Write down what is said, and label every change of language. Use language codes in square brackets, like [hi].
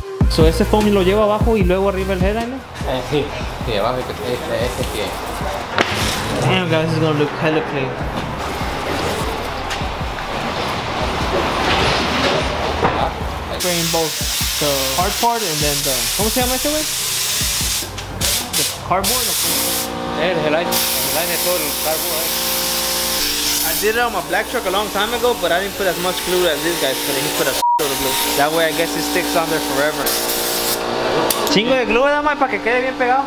[es] So, ese foam lo lleva abajo y luego arriba el headliner? Sí, abajo este pie. [en] Damn, guys, this is gonna look hella clean. Spraying both the hard part and then the... [es] ¿Cómo se llama este wey? [en] The cardboard? [es] El headliner, todo el cardboard. [en] I did it on my black truck a long time ago, but I didn't put as much glue as this guy, so he put a load of glue. That way, I guess it sticks on there forever. [es] Chingo de glue, ¿verdad, mae? Para que quede bien pegado.